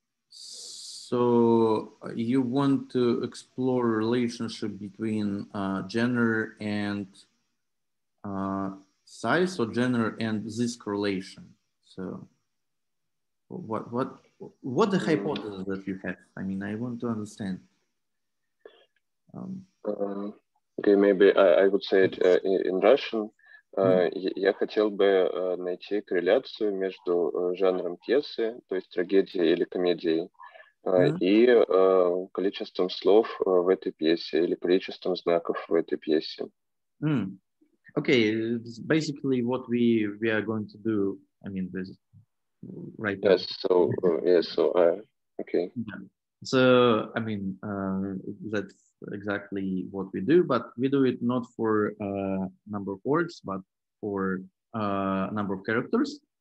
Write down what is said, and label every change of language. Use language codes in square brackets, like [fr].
[en] So you want to explore relationship between gender and size, or gender and this correlation? So what the hypothesis that you have? I want to understand. Okay, maybe I would say it in Russian. [ru] Я хотел бы найти корреляцию между жанром пьесы, то есть трагедией или комедией. И количеством слов в этой пьесе или количеством знаков в этой пьесе. [en] Okay, it's basically what we are going to do. This is right. Yes. So yes. So okay. Yeah. So that's exactly what we do, but we do it not for number of words, but for number of characters.